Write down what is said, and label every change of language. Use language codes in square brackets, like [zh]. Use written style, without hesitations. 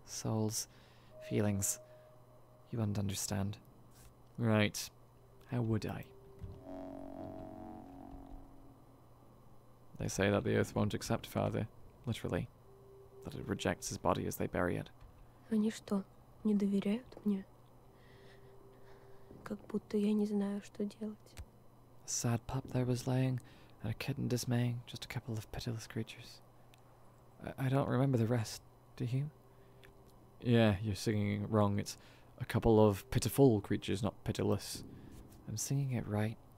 [en] Souls. Feelings. You wouldn't understand. Right. How would I? They say that the earth won't accept Father, literally. That it rejects his body as they bury it. [ru] Они что, не доверяют мне? Как будто я не знаю, что делать. [en] A sad pup there was lying, and a kitten dismaying, just a couple of pitiless creatures. I don't remember the rest, do you? Yeah, you're singing it wrong. It's a couple of pitiful creatures, not pitiless. I'm singing it right.